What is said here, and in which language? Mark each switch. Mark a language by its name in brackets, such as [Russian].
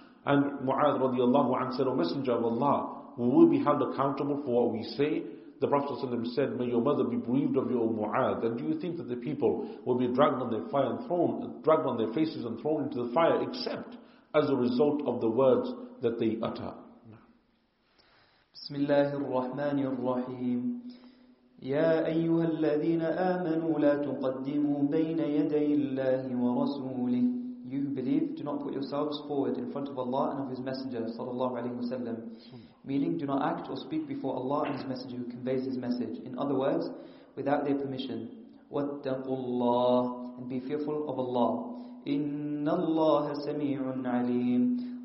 [English] And Mu'adh radiallahu anhu said, O Messenger of Allah, we will be held accountable for what we say. The Prophet sallallahu said, may your mother be bereaved of you, O Mu'adh. And do you think that the people will be dragged on their fire and thrown, dragged on their faces and thrown into the fire, except as a result of the words that they utter? [Arabic] بسم الله الرحمن الرحيم يا أيها الذين آمنوا لا تقدموا بين يدي الله ورسوله. [English] You who believe, do not put yourselves forward in front of Allah and of His Messenger [Arabic] صلى الله عليه وسلم. [English] Meaning, do not act or speak before Allah and His Messenger who conveys His message. In other words, without their permission. [Arabic] واتقوا الله, [English] and be fearful of Allah. [Arabic] إن الله سميع عليم.